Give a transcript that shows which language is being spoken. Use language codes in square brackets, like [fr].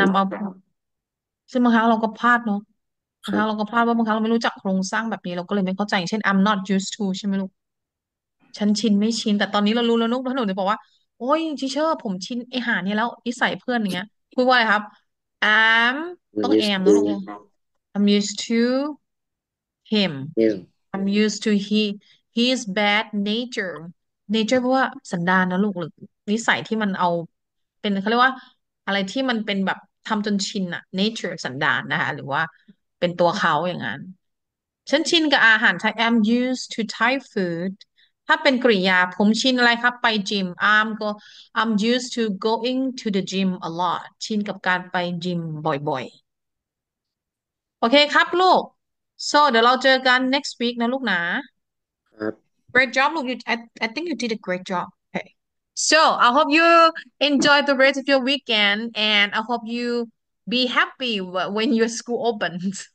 [th] นําเอาซึ่งบางครั้งเราก็พลาดเนาะบ ค าง ร ครั บ งเราก็พลาดว่าบางครั้งเราไม่รู้จักโครงสร้างแบบนี้เราก็เลยไม่เข้าใจเช่น [en] I'm not used to [th] ใช่ไหมลูกฉันชินไม่ชินแต่ตอนนี้เรารู้แล้วลูกหนูจะบอกว่าโอ้ยทีเชอร์ผมชินไอหานี่แล้วนิสัยเพื่อนอย่างเงี้ยพูดว่าอะไรครับ [en] I'm [th] ต้อง [en] used am to [th] นะลูก [en] I'm used to him him I'm used to his bad nature [th] เนเจอร์เพราะว่าสันดานนะลูกหรือนิสัยที่มันเอาเป็นเขาเรียกว่าอะไรที่มันเป็นแบบทําจนชินอะเนเจอร์สันดานนะคะหรือว่าเป็นตัวเขาอย่างนั้นฉันชินกับอาหารไทย [en] I'm used to Thai food [th] ถ้าเป็นกริยาผมชินอะไรครับไปจิม [en] I'm used to going to the gym a lot [th] ชินกับการไปจิมบ่อยๆโอเคครับลูก [en] so [th] เดี๋ยวเราเจอกัน [en] next week [th] นะลูกนะ ครับ [en] Great job, look. I think you did a great job. Okay. So I hope you enjoy the rest of your weekend and I hope you be happy when your school opens.